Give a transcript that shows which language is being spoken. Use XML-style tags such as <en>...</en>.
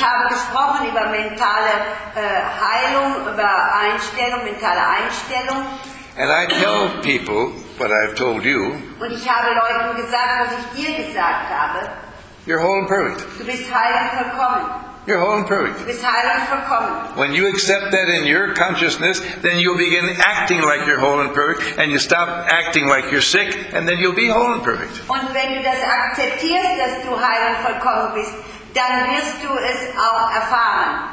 <de>Und ich habe gesprochen über mentale Heilung, über Einstellung, mentale Einstellung.</de> <en>And I tell people what I've told you.</en> <de>Und ich habe Leuten gesagt, was ich dir gesagt habe.</de> <en>You're whole and perfect.</en> <de>Du bist heil und vollkommen.</de> <en>You're whole and perfect.</en> <de>Du bist heil und vollkommen.</de> <en>When you accept that in your consciousness, then you'll begin acting like you're whole and perfect, and you stop acting like you're sick, and then you'll be whole and perfect.</en> <de>Und wenn du das akzeptierst, dass du heil und vollkommen bist, dann wirst du es auch erfahren.</de>